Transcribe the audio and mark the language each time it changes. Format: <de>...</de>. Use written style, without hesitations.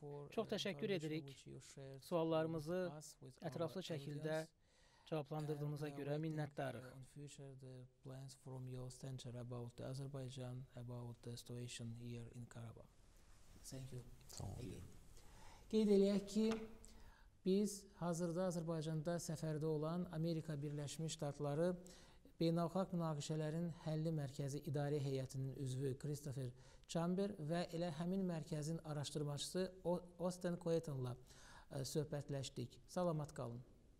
<az>Çox təşəkkür edirik suallarımızı ətraflı şəkildə cavablandırdığınıza görə minnətdarıq.</az> <en>In future, the plans from your center about the Azerbaijan, about the situation here in Karabakh. Thank you.</en> <az>Qeyd eləyək ki, biz hazırda Azərbaycanda səfərdə olan Amerika Birləşmiş Ştatları Beynəlxalq Münaqişələrin Həlli Mərkəzi İdarə Heyətinin üzvü Christopher Chamber və elə həmin mərkəzin araşdırmacısı Austin Coyton'la söhbətləşdik. Salamat qalın.</az>